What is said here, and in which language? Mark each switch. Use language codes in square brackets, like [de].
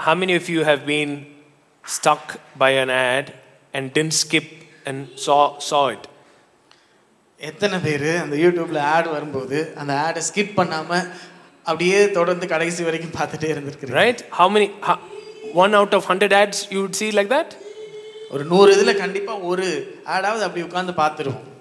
[en] How many of you have been stuck by an ad and didn't skip and saw it? [ta] எத்தனை பேர் அந்த யூடியூப்ல add வரும்போது அந்த ஆட ஸ்கிப் பண்ணாம அப்படியே தொடர்ந்து கடைசி வரைக்கும் பார்த்துட்டே இருந்திருக்கீங்க? [en] Right, how many one out of 100 ads you would see like that? [ta] ஒரு 100 இதுல கண்டிப்பா ஒரு ஆடாவது அப்படி உட்கார்ந்து பார்த்துருவோம்.